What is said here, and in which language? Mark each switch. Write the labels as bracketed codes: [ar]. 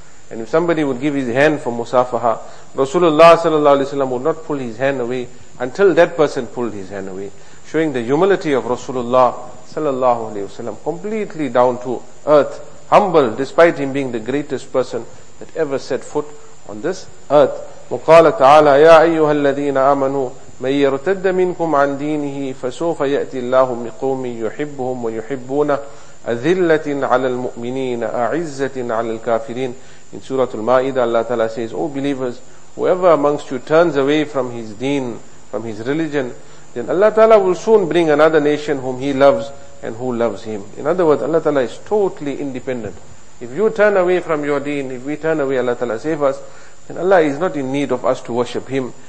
[en] And if somebody would give his hand for musafaha, Rasulullah sallallahu alayhi wa sallam would not pull his hand away until that person pulled his hand away. Showing the humility of Rasulullah sallallahu alayhi wa sallam, completely down to earth, humble, despite him being the greatest person that ever set foot on this earth. [ar] وقال تعالى يا أيها الذين آمنوا من يرتد منكم عن دينه فسوف يأتي الله بقوم يحبهم ويحبون أذلة على المؤمنين أعزة على الكافرين. [en] In Surah Al-Ma'idah, Allah Ta'ala says, O believers, whoever amongst you turns away from his deen, from his religion, then Allah Ta'ala will soon bring another nation whom he loves and who loves him. In other words, Allah Ta'ala is totally independent. If you turn away from your deen, if we turn away, Allah Ta'ala save us, then Allah is not in need of us to worship him.